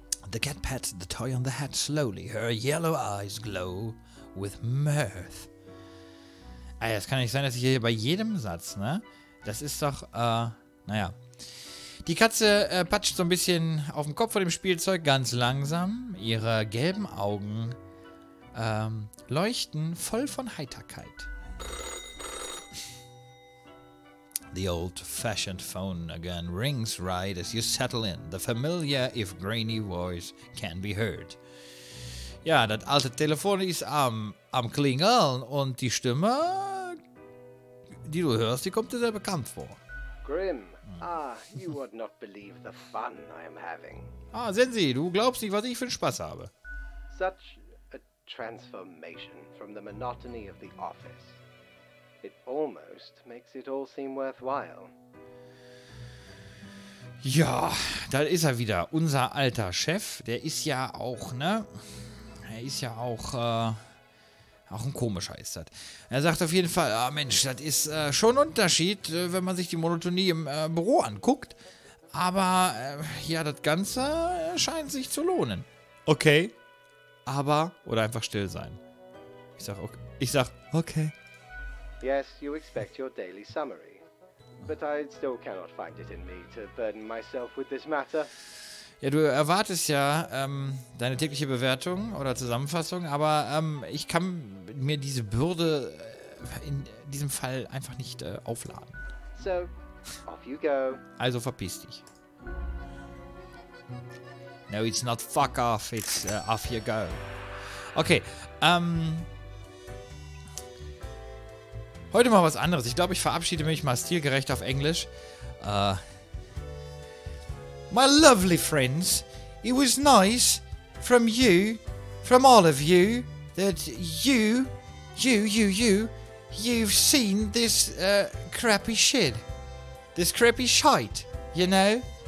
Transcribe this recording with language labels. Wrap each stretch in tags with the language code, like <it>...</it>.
<en>The cat pats the toy on the head slowly. Her yellow eyes glow with mirth.</en> <de>Ey, das kann nicht sein, dass ich hier bei jedem Satz, ne? Das ist doch, naja. Die Katze patscht so ein bisschen auf dem Kopf vor dem Spielzeug ganz langsam. Ihre gelben Augen leuchten voll von Heiterkeit.</de> <en>The old-fashioned phone again rings right as you settle in. The familiar, if grainy, voice can be heard.</en> <de>Ja, das alte Telefon ist am klingeln und die Stimme, die du hörst, die kommt dir sehr bekannt vor.</de> <en>Grim, ah, you would not believe the fun I am having.</en> <de>Ah, sehen Sie, du glaubst nicht, was ich für Spaß habe.</de> <en>such a transformation from the monotony of the office. It almost makes it all seem worthwhile.</en> <de>Ja, da ist er wieder, unser alter Chef. Der ist ja auch, ne? Er ist ja auch, auch ein komischer ist das. Er sagt auf jeden Fall, ah Mensch, das ist schon ein Unterschied, wenn man sich die Monotonie im Büro anguckt. Aber, ja, das Ganze scheint sich zu lohnen. Okay. Aber, oder einfach still sein. Ich sag, okay. Ich sag, okay.</de> <en>Yes, you expect your daily summary. But I still cannot find it in me to burden myself with this matter.</en> <de>Ja, du erwartest ja deine tägliche Bewertung oder Zusammenfassung, aber ich kann mir diese Bürde in diesem Fall einfach nicht aufladen.</de> <en>So, off you go.</en> <de>Also verpiss dich.</de> <en>No, it's not fuck off, it's off you go.</en> <de>Okay, heute mal was anderes. Ich glaube, ich verabschiede mich mal stilgerecht auf Englisch.</de> <en>My lovely friends, it was nice from you, from all of you, that you've seen this crappy shit. This crappy shite, you know?</en>